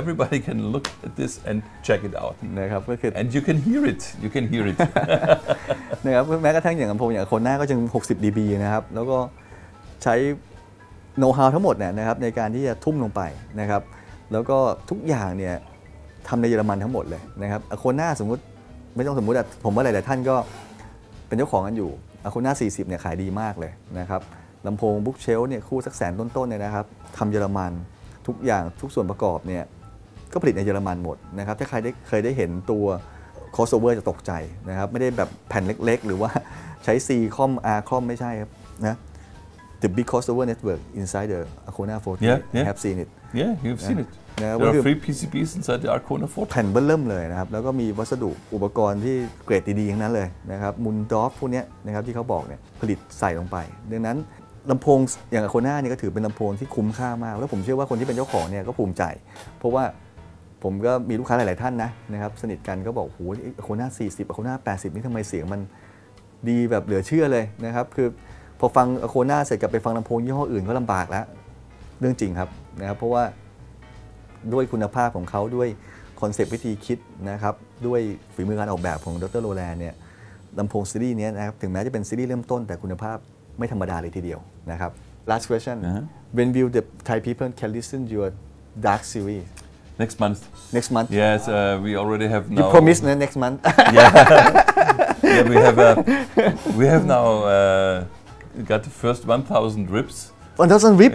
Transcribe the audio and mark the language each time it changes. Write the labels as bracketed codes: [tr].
[en] Everybody can look at this and check it out. And you can hear it. You can hear it. [th] นะครับแม้กระทั่งอย่างผมอย่างคนหน้าก็ยัง60 dB นะครับแล้วก็ใช้โนว์ฮาวทั้งหมดเนี่ยนะครับในการที่จะทุ่มลงไปนะครับแล้วก็ทุกอย่างเนี่ยทำในเยอรมันทั้งหมดเลยนะครับคนหน้าสมมติไม่ต้องสมมติแต่ผมว่าหลายๆท่านก็ เป็นเจ้าของกันอยู่คนหน้า40เนี่ยขายดีมากเลยนะครับลำโพงบุ๊คเชลเนี่ยคู่สักแสนต้นๆเนี่ยนะครับทำเยอรมันทุกอย่างทุกส่วนประกอบเนี่ยก็ผลิตในเยอรมันหมดนะครับถ้าใครได้เคยได้เห็นตัวคอสโอเวอร์จะตกใจนะครับไม่ได้แบบแผ่นเล็กๆหรือว่าใช้ C คอม R คอมไม่ใช่ครับนะ [en] The big cost over network inside the Arcona 40 yeah. have seen it yeah you've seen it there are three PCBs inside the Arcona 40 [th] แผ่นเบื้องเริ่มเลยนะครับแล้วก็มีวัสดุอุปกรณ์ที่เกรดดีๆทั้งนั้นเลยนะครับมุนดอฟพวกนี้นะครับที่เขาบอกเนี่ยผลิตใส่ลงไปดังนั้นลำโพงอย่างอโคน่านี่ก็ถือเป็นลำโพงที่คุ้มค่ามากแล้วผมเชื่อว่าคนที่เป็นเจ้าของเนี่ยก็ภูมิใจเพราะว่าผมก็มีลูกค้าหลายๆท่านนะครับสนิทกันก็บอกโอ้โหอโคน่า40อโคน่า80นี่ทำไมเสียงมันดีแบบเหลือเชื่อเลยนะครับคือพอฟังอโคน่าเสร็จกลับไปฟังลำโพงยี่ห้ออื่นก็ลำบากแล้วเรื่องจริงครับนะครับเพราะว่า ด้วยคุณภาพของเขาด้วยคอนเซปต์วิธีคิดนะครับด้วยฝีมือการออกแบบของดร.โรแลนด์เนี่ยลำโพงซีรีส์นี้นะครับถึงแม้จะเป็นซีรีส์เริ่มต้นแต่คุณภาพไม่ธรรมดาเลยทีเดียวนะครับ [en] last question uh-huh. when will the Thai people can listen to your dark series next month yes we already have now you promise next month yeah we have now got the first 1000 rips 1000 rips